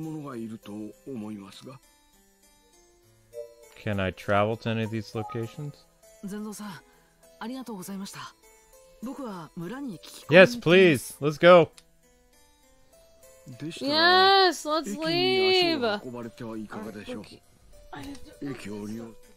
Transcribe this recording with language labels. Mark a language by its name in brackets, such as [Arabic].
[Japanese] あずさ様、間もなく戻られるはずです。それと、ユリ様のことでしたら、村人の中にも知っているものがいると思いますが。 [English] Can I travel to any of these locations? [Japanese] ゼンゾウさん、 ありがとうございました。僕は村に聞き込み。 [English] Yes, please. Let's go. Yes, let's leave. [Japanese] 駅に足を運ばれてはいかがでしょう。駅を降りよう。